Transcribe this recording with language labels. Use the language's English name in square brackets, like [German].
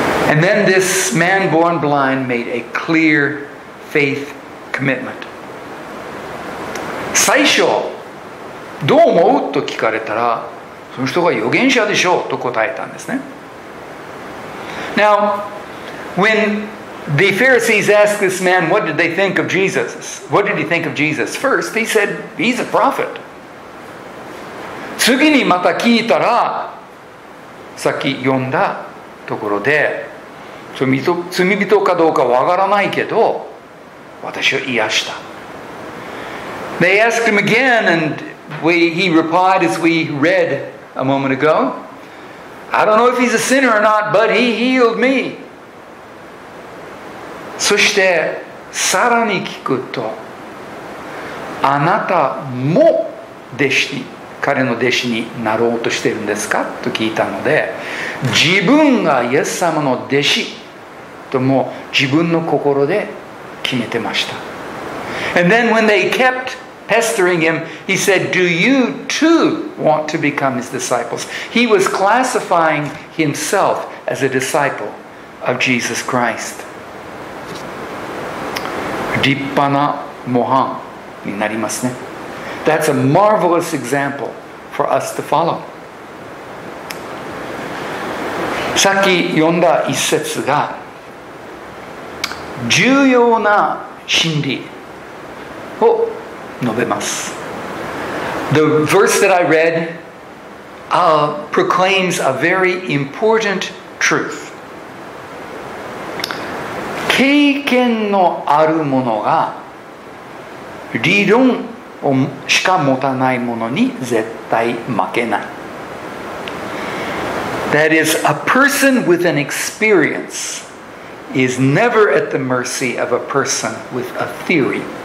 [English] And then this man born blind made a clear faith commitment. [Japanese] 最初どう思うと聞かれたら、その人が預言者でしょうと答えたんですね。 [English] Now when the Pharisees asked this man what did they think of Jesus, what did he think of Jesus? First he said he's a prophet. [Japanese] 次にまた聞いたら、さっき読んだところで、罪人かどうかわからないけど私を癒した。 [English] They asked him again and he replied as we read a moment ago, I don't know if he's a sinner or not, but he healed me. [Japanese] そしてさらに聞くと、あなたも弟子に彼の弟子になろうとしてるんですかと聞いたので、自分がイエス様の弟子とも自分の心で決めてました。 [English] And then when they kept pestering him, he said, Do you too want to become his disciples? He was classifying himself as a disciple of Jesus Christ. [Japanese] 立派な模範になりますね。 [English] That's a marvelous example for us to follow. [Japanese] さっき読んだ一節が重要な真理を述べます。 [English] The verse that I read proclaims a very important truth. [Japanese] 経験のあるものが理論しか持たないものに絶対負けない。 [English] That is, a person with an experience is never at the mercy of a person with a theory.